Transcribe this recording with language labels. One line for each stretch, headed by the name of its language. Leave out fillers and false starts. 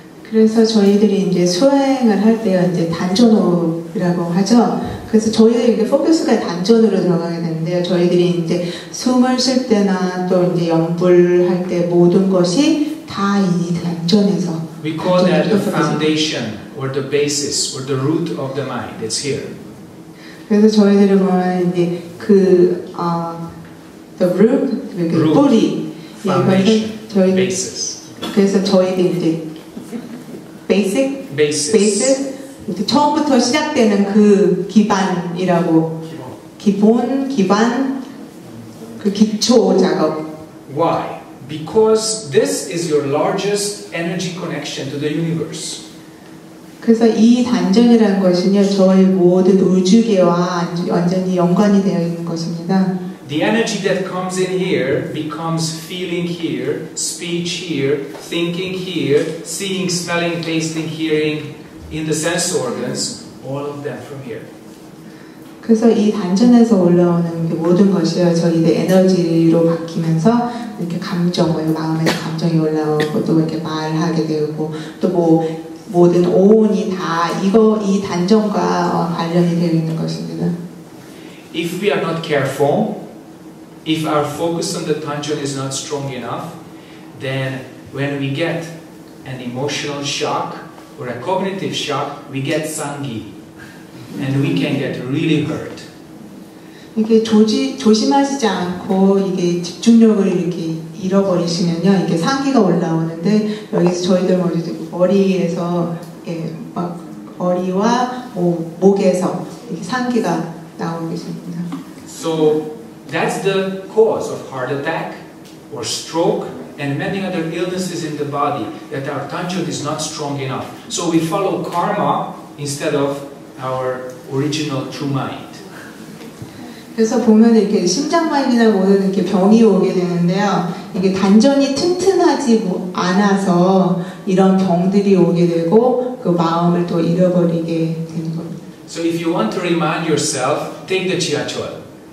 Korean: 그래서 저희들이 이제 수행을 할 때요, 이제 단전호라고 하죠. 그래서 저희들에게 포커스가 단전으로 들어가게 되는데요. 저희들이 이제 숨을 쉴 때나 또 이제 연불할 때 모든 것이 다 이 단전에서.
English: We call that the foundation or the basis or the root of the mind. It's here.
Korean: 그래서 저희들이 보면 이제 그,
English: the root,
Korean: 그 뿌리.
English: Foundation.
Korean: 예,
English: basis.
Korean: 그래서 저희들이 이제 basic,
English: basis.
Korean: 처음부터 시작되는 그 기반이라고 기본, 그 기초 작업.
English: Why? Because this is your largest energy connection to the universe.
Korean: 그래서 이 단전이라는 것은요, 저희 모든 우주계와 완전히 연관이 되어 있는 것입니다.
English: The energy that comes in here becomes feeling here, speech here, thinking here, seeing, smelling, tasting, hearing, in the sense organs, all of them from here.
Korean: 그래서 이 단전에서 올라오는 그 모든 것이 저희들 에너지로 바뀌면서 이렇게 감정, 마음에서 감정이 올라오고 또 이렇게 말하게 되고 또 뭐 모든 오온이 다 이거 이 단전과 관련이 되어 있는 것입니다.
English: If we are not careful, if our focus on the Tanjon is not strong enough, then when we get an emotional shock or a cognitive shock, we get sangi. And we can get really hurt.
Korean: 이게 조심하시지 않고 이게 집중력을 이렇게 잃어버리시면요, 이게 상기가 올라오는데 여기서 저희들 머리에서 예, 막 머리와 목에서 이렇게 상기가 나오게 됩니다.
English: So that's the cause of heart attack or stroke and many other illnesses in the body that our tanjon is not strong enough. So we follow karma instead of our original true mind.
Korean: 그래서 보면 이렇게 심장마비나 모든 이렇게 병이 오게 되는데요. 이게 단전이 튼튼하지 않아서 이런 병들이 오게 되고 그 마음을 또 잃어버리게 되는 겁니다.
English: So if you want to remind yourself, take the 지하철.